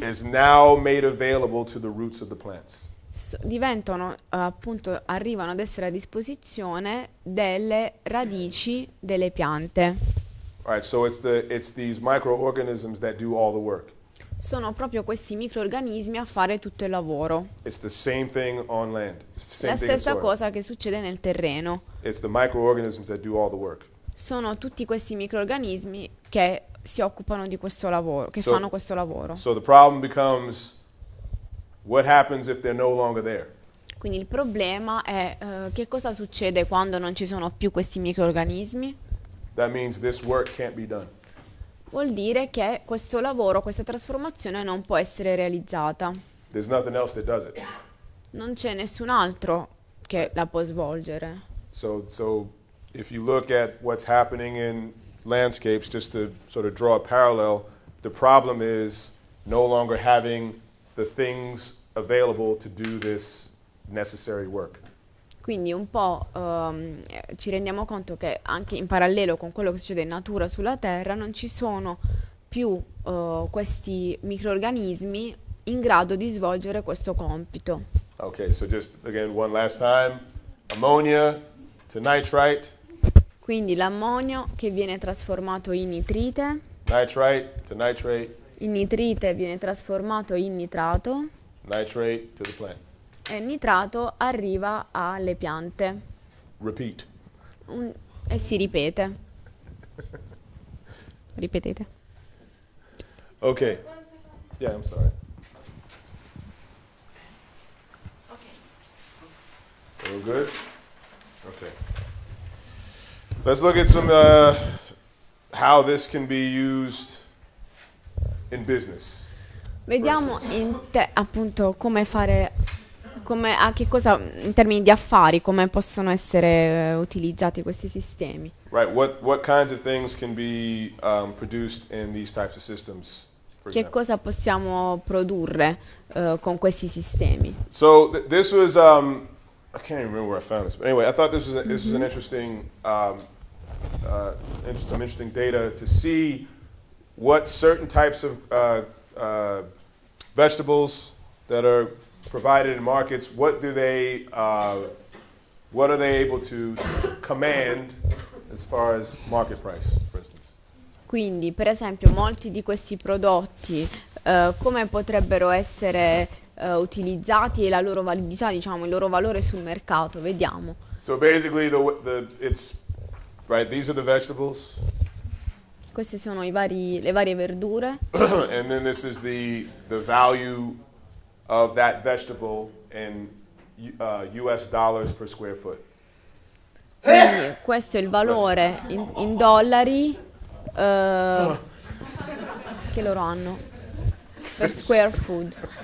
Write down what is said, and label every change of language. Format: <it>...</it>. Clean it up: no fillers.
<en>is now made available to the roots of the plants.</en> <it>Diventano appunto arrivano ad essere a disposizione delle radici delle piante.</it> <en>All right, so it's these microorganisms that do all the work.</en> <it>Sono proprio questi microrganismi a fare tutto il lavoro.</it> <en>It's the same thing on land. It's the same</en> <it>la stessa thing cosa che succede nel terreno.</it> <en>It's the microorganisms that do all the work.</en> <it>Sono tutti questi microrganismi che si occupano di questo lavoro, che fanno questo lavoro.</it> <en>So the problem becomes what happens if they're no longer there?</en> <it>Quindi il problema è che cosa succede quando non ci sono più questi microrganismi?</it> <en>That means this work can't be done.</en> <it>Vuol dire che questo lavoro, questa trasformazione non può essere realizzata.</it> <en>There's nothing else that does it.</en> <it>Non c'è nessun altro che la può svolgere.</it> <en>So if you look at what's happening in landscapes, just to sort of draw a parallel, the problem is no longer having the things available to do this necessary work.</en> <it>Quindi un po' ci rendiamo conto che anche in parallelo con quello che succede in natura sulla terra non ci sono più questi microrganismi in grado di svolgere questo compito.</it> <en>Okay, so just again one last time, ammonia to nitrite.</en> <it>Quindi l'ammonio che viene trasformato in nitrite.</it> <en>Nitrite to nitrate.</en> <it>Il nitrite viene trasformato in nitrato.</it> <en>Nitrate to the plant.</en> <it>E il nitrato arriva alle piante.</it> <en>Repeat.</en> <it>E si ripete. Ripetete.</it> <en>Ok. Yeah, I'm sorry. Ok. All good? Ok. Let's look at some how this can be used in business.</en> <it>Vediamo appunto come fare, come a che cosa in termini di affari, come possono essere utilizzati questi sistemi.</it> <en>Right, what kinds of things can be produced in these types of systems?</en> <it>Che cosa possiamo produrre con questi sistemi?</it> <en>So this was I can't even remember where I found this, but anyway, I thought this was an interesting some interesting data to see what certain types of vegetables that are provided in markets, what are they able to command as far as market price, for instance?</en> <it>Quindi, per esempio, molti di questi prodotti, come potrebbero essere utilizzati e la loro validità, diciamo, il loro valore sul mercato, vediamo.</it> <en>So basically, these are the vegetables.</en> <it>Queste sono le varie verdure.</it> <en>And then this is the value of that vegetable in US dollars per square foot.</en> <it>Quindi questo è il valore in dollari che loro hanno per square foot.</it>